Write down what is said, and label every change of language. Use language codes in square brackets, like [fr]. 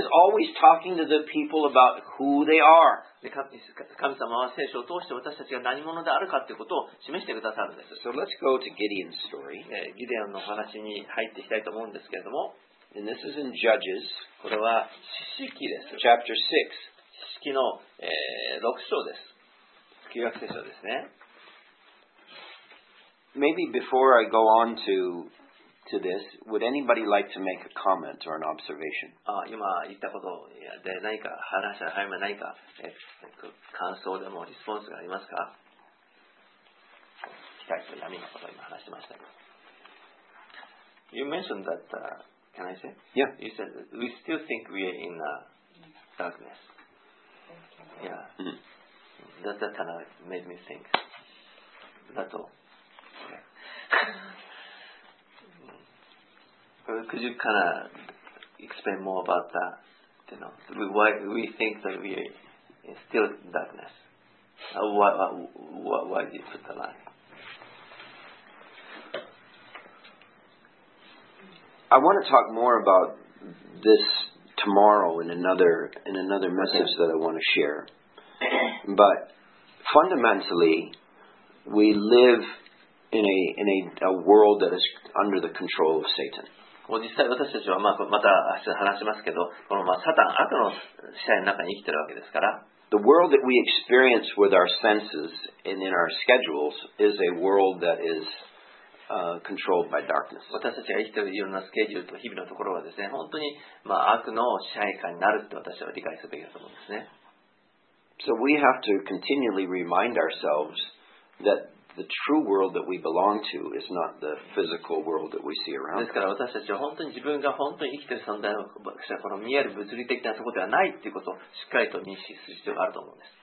[en] God is always talking to the people about who they are. [ja] で神様は聖書を通して私たちが何者であるかということを示してくださるんです。 [en] So let's go to Gideon's story. [ja] ギデオンの話に入っていきたいと思うんですけれども。 [en] And this is in Judges. [ja] これは詩式です。 [en] Chapter 6. [ja] 詩式の、6章です。旧約聖書ですね。 [en] Maybe before I go on to this, would anybody like to make a comment or an observation? [ja] Ah, 今言ったことで何か話し合いま何か感想でもリスポンスがありますか？光と闇のことを今話してましたけど。 [en] You mentioned that, can I say? Yeah. You said we still think we are in darkness. Yeah. Mm-hmm. That kind of made me think. That's all. Could you kind of explain more about that? You know, why we think that we are still in darkness? Why did you put the line? I want to talk more about this tomorrow in another message that I want to share. But fundamentally, we live in a world that is under the control of Satan. [ja] もう実際私たちはまあまた話しますけど、このまあサタン悪の支配の中に生きてるわけですから。 [en] The world that we experience with our senses and in our schedules is a world that is controlled by darkness. [ja] 私たちが生きているいろんなスケジュールと日々のところはですね、本当に、まあ、悪の支配下になるって私は理解すべきだと思うんですね。 [en] So we have to continually remind ourselves that the true world that we belong to is not the physical world that we see around. [ja] ですから私たちは本当に自分が本当に生きている存在の、この見える物理的なところではないということをしっかりと認識する必要があると思うんです。